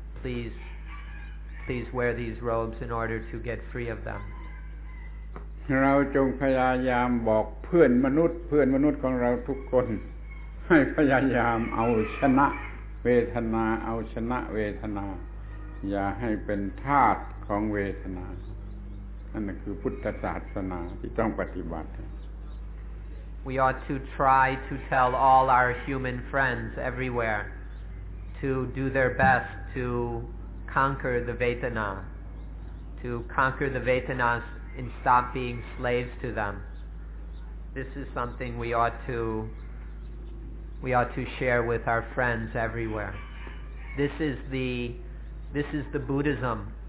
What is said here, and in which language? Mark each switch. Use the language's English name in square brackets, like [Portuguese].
[English] Please wear these robes in order to get free of them. [Thai] เราจงพยายามบอกเพื่อนมนุษย์ของเราทุกคนให้พยายามเอาชนะเวทนาเอาชนะเวทนาอย่าให้เป็นทาสของเวทนานั่นคือพุทธศาสนาที่ต้องปฏิบัติ [English] We ought to try to tell all our human friends everywhere to do their best toconquer the vedana to conquer the vedanas and stop being slaves to them this is something we ought to share with our friends everywhere this is the Buddhism